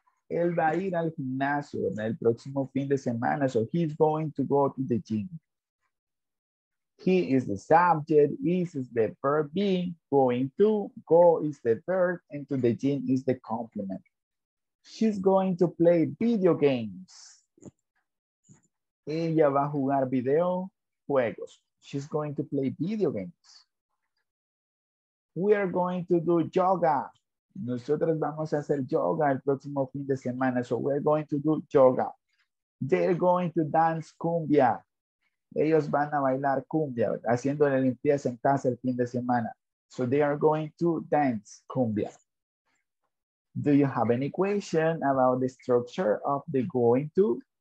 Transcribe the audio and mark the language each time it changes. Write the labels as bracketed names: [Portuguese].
[Spanish] Él va a ir al gimnasio en el próximo fin de semana. [English] So he's going to go to the gym. He is the subject. Is the verb be. Going to. Go is the verb. And to the gym is the complement. She's going to play video games. [Spanish] Ella va a jugar videojuegos. She's going to play video games. [English] We are going to do yoga. [Spanish] Nosotros vamos a hacer yoga el próximo fin de semana. [English] So we're going to do yoga. They're going to dance cumbia. [Spanish] Ellos van a bailar cumbia, haciendo la limpieza en casa el fin de semana. [English] So they are going to dance cumbia. Do you have any question about the structure of the going to?